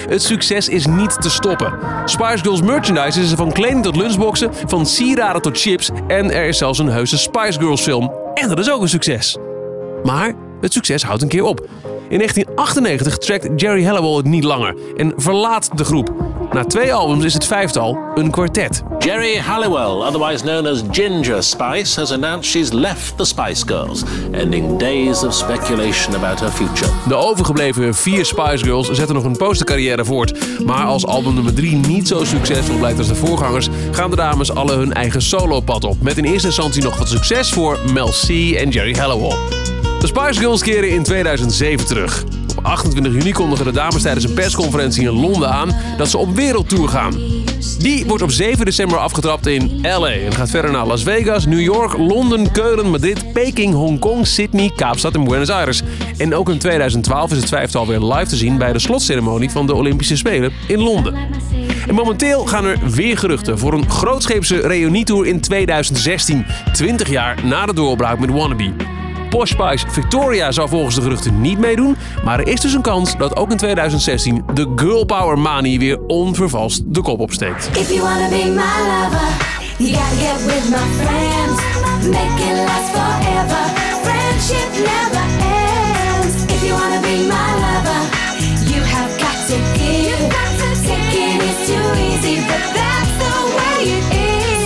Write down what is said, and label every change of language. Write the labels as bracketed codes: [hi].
[nl] Het succes is niet te stoppen. Spice Girls merchandise is er van kleding tot lunchboxen, van sieraden tot chips en er is zelfs een heuse Spice Girls film. En dat is ook een succes. Maar het succes houdt een keer op. In 1998 trekt Jerry Halliwell het niet langer en verlaat de groep. Na 2 albums is het vijftal een kwartet. [en] Jerry Halliwell, otherwise known as Ginger Spice, has announced she's left the Spice Girls, ending days of speculation about her future. [nl] De overgebleven 4 Spice Girls zetten nog een postercarrière voort. Maar als album nummer 3 niet zo succesvol blijkt als de voorgangers, gaan de dames alle hun eigen solopad op. Met in eerste instantie nog wat succes voor Mel C en Jerry Halliwell. De Spice Girls keren in 2007 terug. Op 28 juni kondigen de dames tijdens een persconferentie in Londen aan dat ze op wereldtour gaan. Die wordt op 7 december afgetrapt in LA en gaat verder naar Las Vegas, New York, Londen, Keulen, Madrid, Peking, Hongkong, Sydney, Kaapstad en Buenos Aires. En ook in 2012 is het vijftal weer live te zien bij de slotceremonie van de Olympische Spelen in Londen. En momenteel gaan er weer geruchten voor een grootscheepse reunietour in 2016, 20 jaar na de doorbraak met Wannabe. Posh Spice Victoria zou volgens de geruchten niet meedoen. Maar er is dus een kans dat ook in 2016 de Girl Power Mani weer onvervalst de kop opsteekt. [en] If you wanna be my lover, you gotta get with my friends. Make it last forever. Friendship never ends. If you wanna be my lover, you have got to give. Taking is too easy, but that's the way it is.